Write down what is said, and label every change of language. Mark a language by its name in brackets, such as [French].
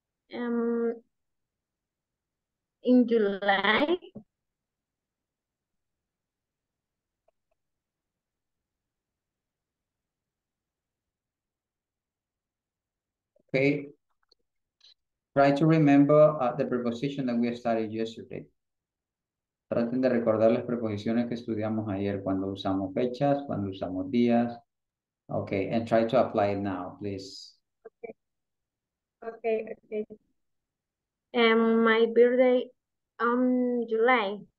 [English] in July. Okay. Try to remember the preposition that we studied yesterday. [Spanish] Traten de recordar las preposiciones que estudiamos ayer, cuando usamos fechas, cuando usamos días. [English] Okay, and try to apply it now, please. Okay. My birthday on July.